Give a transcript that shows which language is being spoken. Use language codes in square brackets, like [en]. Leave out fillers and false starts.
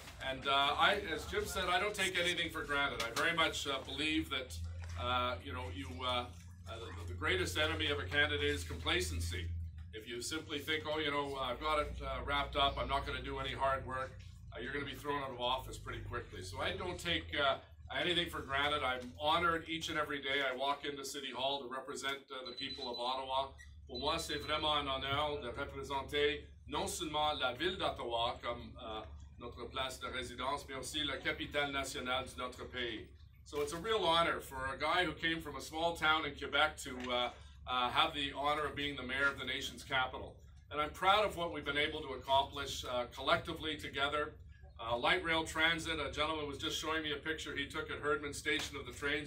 [en] And I, as Jim said, I don't take anything for granted. I very much believe that, you know, you the greatest enemy of a candidate is complacency. If you simply think, oh, you know, I've got it wrapped up, I'm not going to do any hard work, you're going to be thrown out of office pretty quickly. So I don't take anything for granted. I'm honored each and every day I walk into City Hall to represent the people of Ottawa. [fr] Pour moi, c'est vraiment un honneur de représenter non seulement la ville d'Ottawa comme notre place de résidence, mais aussi la capitale nationale de notre pays. [en] So it's a real honor for a guy who came from a small town in Quebec to have the honor of being the mayor of the nation's capital. And I'm proud of what we've been able to accomplish collectively together. Light rail transit, a gentleman was just showing me a picture he took at Herdman Station of the trains.